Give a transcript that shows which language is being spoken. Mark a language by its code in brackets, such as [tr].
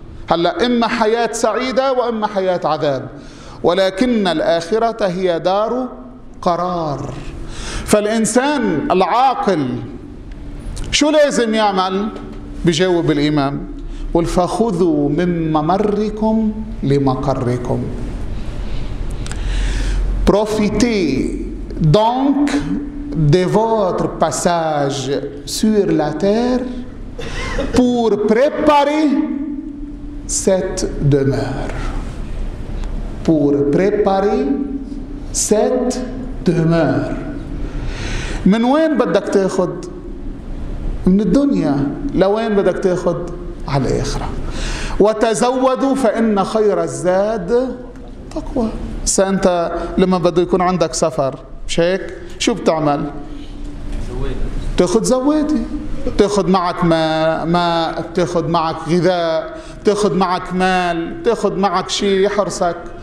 [ar] هلأ إما حياة سعيدة وإما حياة عذاب ولكن الآخرة هي دار قرار. فالإنسان العاقل شو لازم يعمل؟ بجاوب الإمام والفخذوا من ممركم لمقركم. [fr] Profitez donc de votre passage sur la terre pour préparer cette demeure. Pour préparer cette demeure. [ar] من وين بدك تاخذ؟ من الدنيا. لوين بدك تاخذ؟ على الآخرة. وتزودوا فإن خير الزاد تقوى. سأنت لما بده يكون عندك سفر مش هيك شو بتعمل؟ تأخذ زوادي، تأخذ معك ماء، تأخذ معك غذاء، تأخذ معك مال، تأخذ معك شيء يحرسك.